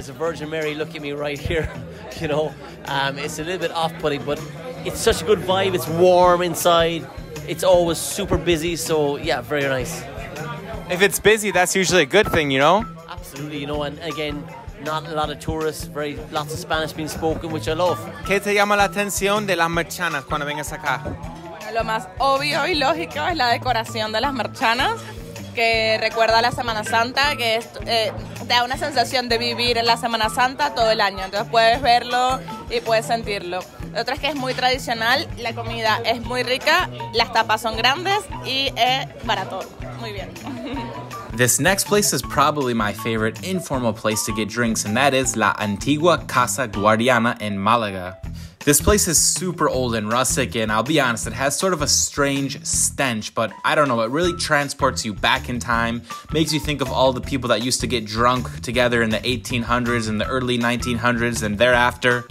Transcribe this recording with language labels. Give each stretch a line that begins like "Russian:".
English: There's a Virgin Mary looking at me right here, you know? It's a little bit off-putting, but it's such a good vibe. It's warm inside. It's always super busy. So yeah, very nice. If it's busy, that's usually a good thing, you know? Absolutely, you know, and again, not a lot of tourists, lots of Spanish being spoken, which I love.
Spanish: ¿Qué te llama la atención de las merchanas cuando vengas acá? Bueno, lo más obvio y lógico es la decoración de las merchanas, que recuerda la Semana Santa, que es, te da una sensación de vivir en la Semana Santa todo el año. Entonces puedes verlo y puedes sentirlo. Otra es que es muy tradicional, la comida es muy rica, las tapas son grandes y es barato. Muy bien.
English: This next place is probably my favorite informal place to get drinks, and that is La Antigua Casa Guardiana in Malaga. This place is super old and rustic, and I'll be honest, it has sort of a strange stench, but I don't know, it really transports you back in time, makes you think of all the people that used to get drunk together in the 1800s and the early 1900s and thereafter.